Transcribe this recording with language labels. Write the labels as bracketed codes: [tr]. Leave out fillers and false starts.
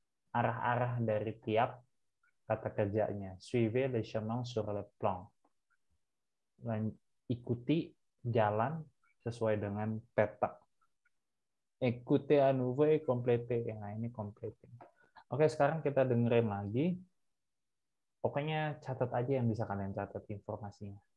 [id] Arah-arah dari tiap kata kerjanya. [fr] Suivez le chemin sur le plan. [id] Ikuti jalan sesuai dengan peta. [fr] Écoutez à nouveau et complétez. [id] Nah, ini complétez. Oke, sekarang kita dengerin lagi. Pokoknya catat aja yang bisa kalian catat informasinya.